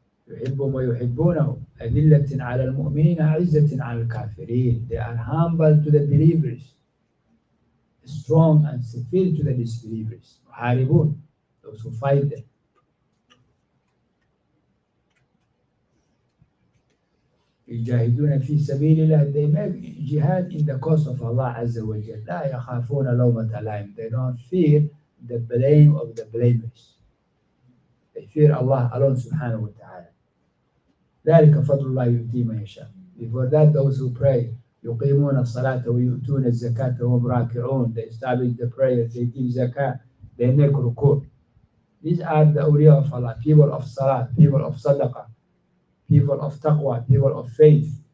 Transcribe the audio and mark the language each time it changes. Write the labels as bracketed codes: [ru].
[ar] يحبهم ويحبونه أذلة على المؤمنين عزة على الكافرين. [en] They are humble to the believers, strong and severe to the disbelievers, haribun, those who fight them. [ar] Ijahiduna fi sabilillah, [en] they make jihad in the cause of Allah Azza wa Jal. [ar] La yakhafuna lawmata laim, [en] they don't fear the blame of the blameless. They fear Allah alone subhanahu wa ta'ala. [ar] Dhalika fadlullah yu'ti man yasha. [en] Before that, those who pray, [ar] يقيمون الصلاة ويؤتون الزكاة وهم راكعون. [en] They establish the prayer, they give zakah, they make ruku. These are the awliya of Allah, people of salah, people of sadaqah, people of taqwa, people of faith.